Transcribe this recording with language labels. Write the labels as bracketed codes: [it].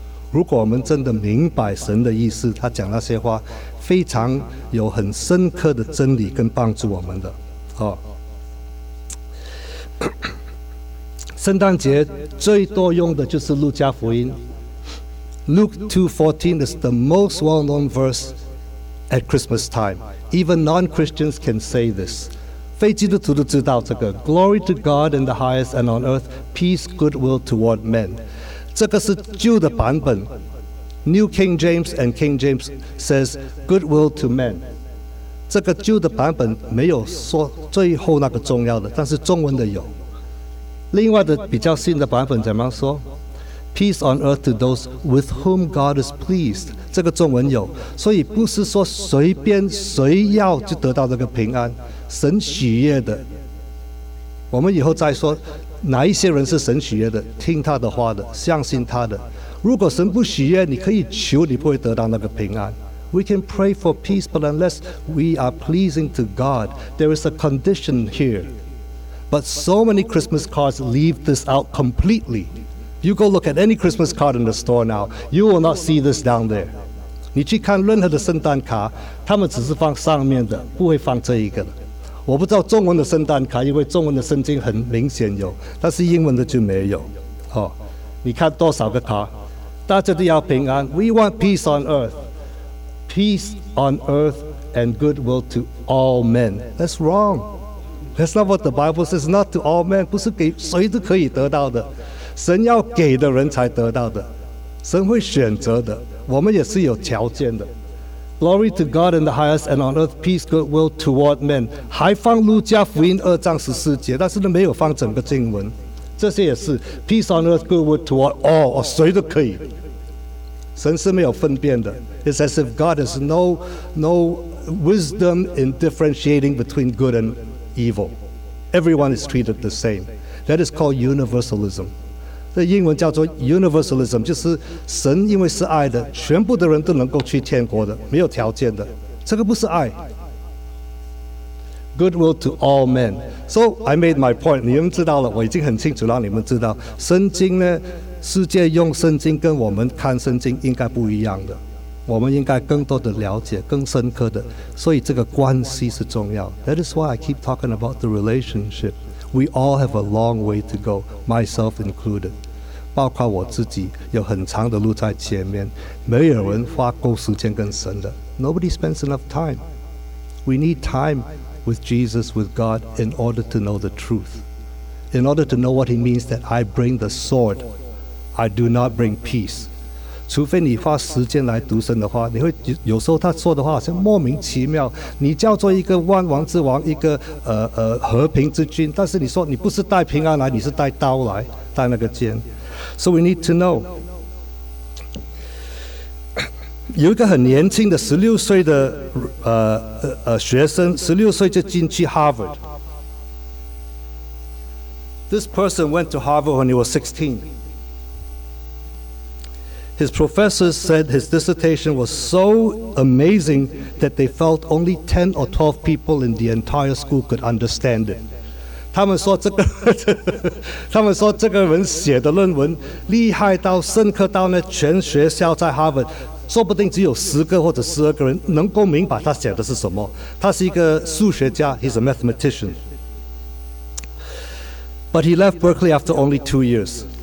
[zh] 如果我们真的明白神的意思他讲那些话非常有很深刻的真理跟帮助我们的、圣诞节最多用的就是路加福音 [en] Luke 2:14 is the most well-known verse at Christmas time. Even non-Christians can say this. [zh] 非基督徒都知道这个。 [en] Glory to God in the highest and on earth, peace, goodwill toward men. [zh] 这个是旧的版本。 [en] New King James and King James says goodwill to men. [zh] 这个旧的版本没有说最后那个重要的，但是中文的有。另外的比较新的版本怎么说？ [en] Peace on earth to those with whom God is pleased. [zh] 这个中文有，所以不是说随便谁要就得到这个平安，神喜悦的。我们以后再说哪一些人是神喜悦的，听他的话的，相信他的。如果神不喜悦，你可以求，你不会得到那个平安。 [en] We can pray for peace, but unless we are pleasing to God, there is a condition here. But so many Christmas cards leave this out completely.You go look at any Christmas card in the store now, you will not see this down there. [zh] 你去看任何的圣诞卡，他们只是放上面的，不会放这一个的。我不知道中文的圣诞卡，因为中文的圣经很明显有，但是英文的就没有。哦，你看多少个卡，大家都要平安。 [en] We want peace on earth. Peace on earth and goodwill to all men. That's wrong. That's not what the Bible says. Not to all men. [zh] 不是给谁都可以得到的。神要给的人才得到的。神会选择的。我们也是有条件的。 [en] Glory to God in the highest, and on earth peace, goodwill toward men. [zh] 还放路加福音二章十四节，但是呢没有放整个经文。这些也是 [en] peace on earth, goodwill toward all, or [zh] 谁都可以。神是没有分辨的。 [en] It's as if God has no wisdom in differentiating between good and evil. Everyone is treated the same. That is called universalism. [zh] 这英文叫做 universalism， 就是神因为是爱的，全部的人都能够去天国的，没有条件的。这个不是爱。 [en] Goodwill to all men. So I made my point. [zh] 你们知道了，我已经很清楚让你们知道，圣经呢，世界用圣经跟我们看圣经应该不一样的。我们应该更多的了解，更深刻的。所以这个关系是重要。 [en] That is why I keep talking about the relationship. We all have a long way to go, myself included. [zh] 包括我自己有很长的路在前面，没有人花够时间跟神的。 [en] Nobody spends enough time. We need time with Jesus, with God, in order to know the truth. In order to know what he means that I bring the sword, I do not bring peace. [zh] 除非你花时间来读神的话，你会有时候他说的话好像莫名其妙。你叫做一个万王之王，一个和平之君，但是你说你不是带平安来，你是带刀来，带那个剑。 [en] So we need to know。 [zh] 有一个很年轻的十六岁的学生，十六岁就进去 Harvard。 This person went to Harvard when he was 16. His professors said his dissertation was so amazing that they felt only 10 or 12 people in the entire school could understand it. 他们说这个人写的论文厉害到深刻到呢，全学校在 Harvard 说不定只有十个或者十二个人能够明白他写的是什么。他是一个数学家， [en] he's a mathematician. But he left Berkeley after only 2 years.